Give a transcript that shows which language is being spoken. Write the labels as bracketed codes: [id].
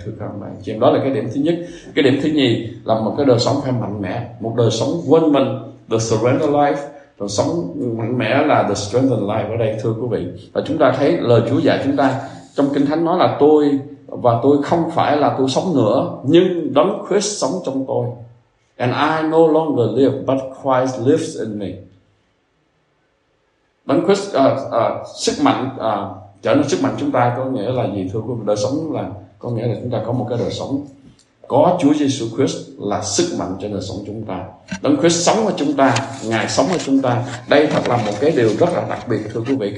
[vi] Thưa các bạn chị em, đó là cái điểm thứ nhất. Cái điểm thứ nhì là một cái đời sống phải mạnh mẽ, một đời sống quên mình, [en] the surrender life. [vi] Đời sống mạnh mẽ là [en] the strengthen life [vi] ở đây, thưa quý vị. Và chúng ta thấy lời Chúa dạy chúng ta trong Kinh Thánh nói là tôi và tôi không phải là tôi sống nữa, nhưng Đấng Christ sống trong tôi. [en] And I no longer live, but Christ lives in me. [vi] Đấng Christ sức mạnh trở nên sức mạnh chúng ta có nghĩa là gì, thưa quý vị? Đời sống là có nghĩa là chúng ta có một cái đời sống có Chúa Jesus Christ là sức mạnh cho đời sống chúng ta. Đấng Christ sống ở chúng ta, Ngài sống ở chúng ta. Đây thật là một cái điều rất là đặc biệt, thưa quý vị.